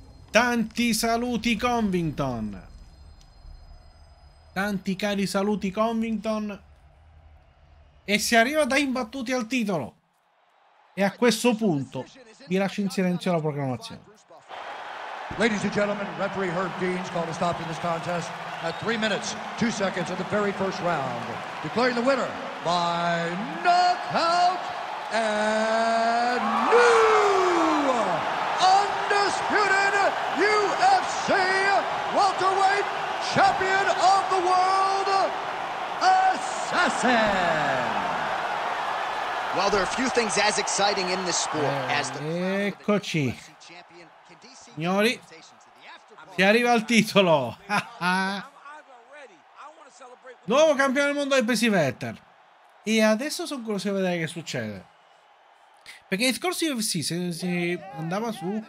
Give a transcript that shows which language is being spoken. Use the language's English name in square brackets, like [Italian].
[Italian] Tanti saluti, Covington. Tanti cari saluti, Covington. E si arriva da imbattuti al titolo. E a questo punto vi lascio in silenzio la proclamazione. [English] Ladies and gentlemen, referee Herb Deans called a stop to this contest at 3:02 of the very first round, declaring the winner by knockout and new undisputed UFC welterweight champion of the world, Assassin. Well, there are a few things as exciting in this sport as the [Italian] eccoci. Signori, si arriva al titolo. Nuovo campione del mondo dei pesi welter. E adesso sono curioso di vedere che succede. Perché nei scorsi UFC si andava su.